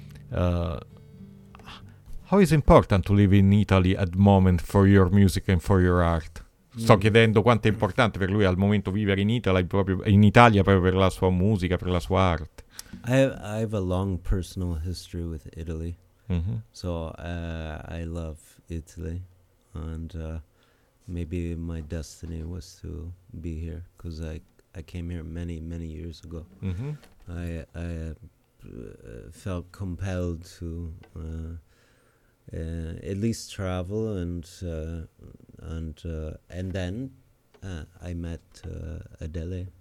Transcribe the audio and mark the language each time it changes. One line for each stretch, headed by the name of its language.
English: How is important to live in Italy at the moment for your music and for your art?
Italian: Sto chiedendo quanto è importante per lui al momento vivere in Italia, proprio in Italia, proprio per la sua musica, per la sua arte.
English: I have a long personal history with Italy. Mm-hmm. So I love Italy, and maybe my destiny was to be here, because I came here many, many years ago. Mm-hmm. I felt compelled to at least travel, and then I met Adele.